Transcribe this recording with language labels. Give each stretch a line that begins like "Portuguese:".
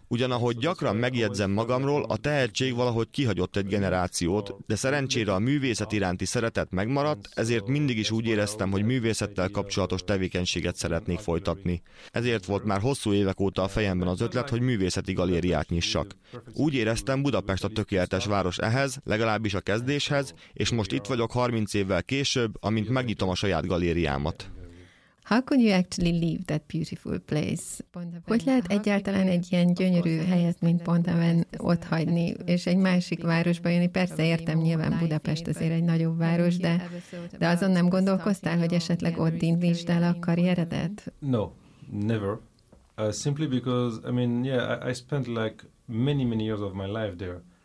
Hungarian: Ugyanahogy gyakran megjegyzem magamról, a tehetség valahogy kihagyott egy generációt, de szerencsére a művészet iránti szeretet megmaradt, ezért mindig is úgy éreztem, hogy művészettel kapcsolatos tevékenységet szeretnék folytatni. Ezért volt már hosszú évek óta a fejemben az ötlet, hogy művészeti galériát nyissak. Úgy éreztem, Budapest a tökéletes város ehhez, legalábbis a kezdéshez, és most itt vagyok 30 évvel később, amint megnyitom a saját galériámat.
English: How could you actually leave that beautiful place?
Hungarian: Hogy lehet egyáltalán egy ilyen gyönyörű helyet, mint Pont-Aven ott hagyni, és egy másik városba jönni? Persze értem, nyilván Budapest azért egy nagyobb város, de azon nem gondolkoztál, hogy esetleg ott indítsd el a karrieredet?
English: No, never. Simply because, I spent like many years of my life there.